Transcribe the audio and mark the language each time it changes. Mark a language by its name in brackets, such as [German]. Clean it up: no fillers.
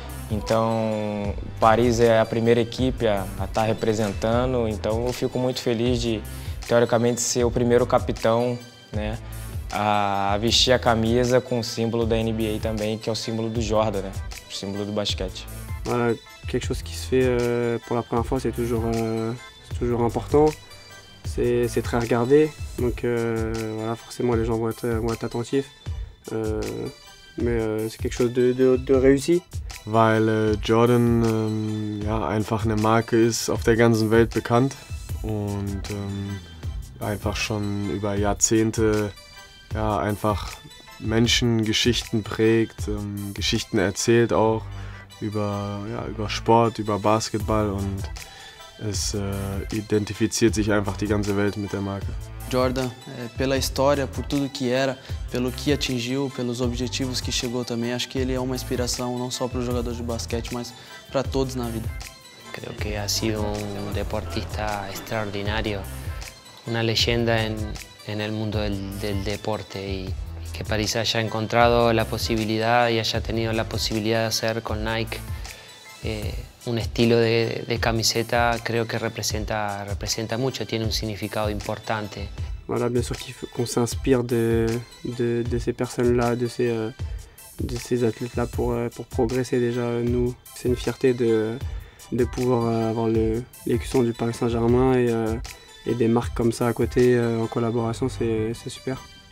[Portuguese] Então, o Paris é a primeira equipe a estar tá representando, então eu fico muito feliz de, teoricamente, ser o primeiro capitão, né? A vestir a camisa com o símbolo da NBA também, que é o símbolo do Jordan, né? O símbolo do basquete. [French] Voilà, quelque chose qui se fait pour la première fois, c'est toujours important. C'est très regardé, donc voilà, forcément les gens vont être attentifs. Mais c'est quelque chose de réussi. [German] Weil Jordan ja einfach eine Marke ist auf der ganzen Welt bekannt und einfach schon über Jahrzehnte ja einfach Menschen Geschichten prägt, Geschichten erzählt auch. Über, ja, über Sport, über Basketball und es identifiziert sich einfach die ganze Welt mit der Marke. [Portuguese] Jordan, pela história, por tudo que era, pelo que atingiu, pelos objetivos que chegou também, acho que ele é uma inspiração não só para os jogadores de basquete, mas para todos na vida. [Spanish] Creo que ha sido un deportista extraordinario, una leyenda en el mundo del deporte y que París haya encontrado la posibilidad y haya tenido la posibilidad de hacer con Nike un estilo de camiseta, creo que representa mucho, tiene un significado importante. [French] Voilà, bien sûr qu'on s'inspire de ces personnes-là, de ces athlètes-là pour progresser déjà nous. C'est une fierté de pouvoir avoir l'écusson du Paris Saint-Germain et des marques comme ça à côté en collaboration, c'est super.